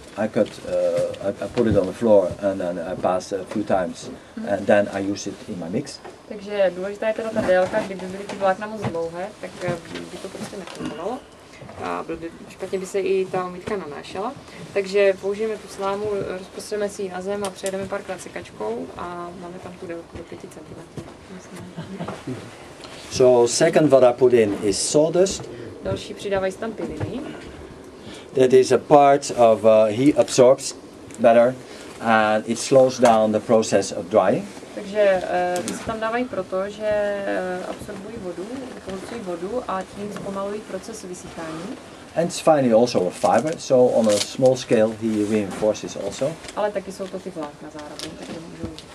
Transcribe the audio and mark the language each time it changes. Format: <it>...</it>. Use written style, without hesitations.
<en>I put it on the floor and then I pass a few times and then I use it in my mix.</en> <cs>Takže důležitá je teda ta délka, kdyby byly ty vlákna moc dlouhé, tak by to prostě nefungovalo. A špatně by se i ta omítka nanášela. Takže použijeme tu slámu, rozprostřeme si ji na zem a přejedeme párkrát sekačkou a máme tam tu délku do 5 cm.</cs> <en>So second what I put in is sawdust.</en> <cs>Další přidávají tam piliny.</cs> <en>That is a part of he absorbs better and it slows down the process of drying.</en> <cs>Takže ty se tam dávají proto, že absorbují vodu, pohlcují vodu a tím zpomalují proces vysychání.</cs> <en>And it's finally also a fiber, so on a small scale he reinforces also.</en> <cs>Ale taky jsou to ty vlákna zároveň, takže můžou.</cs>